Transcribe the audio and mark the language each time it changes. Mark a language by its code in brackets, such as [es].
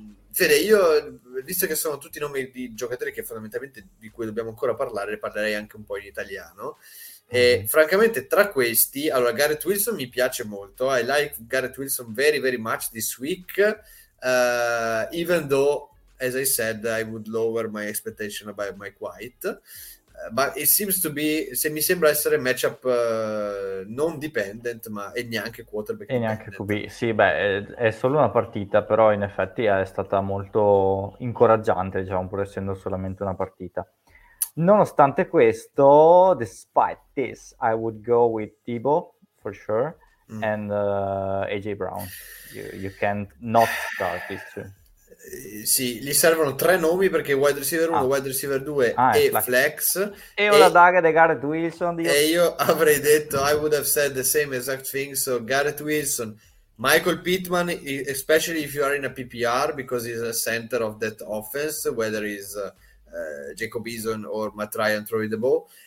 [it] Fede, io, visto che sono tutti nomi di giocatori che fondamentalmente di cui dobbiamo ancora parlare, parlerei anche un po' in italiano. E francamente, tra questi, allora, Garrett Wilson mi piace molto. [en] I like Garrett Wilson very, very much this week. Even though, as I said, I would lower my expectation about Mike White. But it seems to be, [it] se mi sembra essere matchup non dependent, ma e neanche quarterback e neanche QB. Sì, beh, è solo una partita, però in effetti è stata molto incoraggiante, diciamo, pur essendo solamente una partita. Nonostante questo, [en] despite this, I would go with Deebo for sure and AJ Brown. You can't not start these two. [it] sì, gli servono tre nomi perché wide receiver 1, wide receiver 2 Ah, è e [en] flex. flex. [it] E una E daga di Garrett Wilson, Dio. io avrei detto, [en] I would have said the same exact thing. So, Garrett Wilson, Michael Pittman, especially if you are in a PPR, because he's a center of that offense, whether he's Jacob Eason or Matt Ryan throwing the ball.